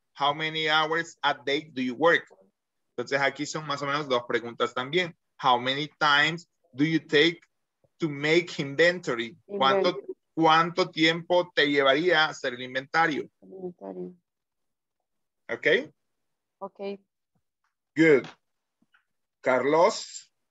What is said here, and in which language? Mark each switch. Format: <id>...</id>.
<en>How many hours a day do you work?</en> <es>Entonces aquí son más o menos dos preguntas también.</es> <en>How many times do you take to make inventory?</en> <es>¿Cuánto tiempo te llevaría hacer el inventario?</es> <en>Okay. Okay. Good. Carlos.</en>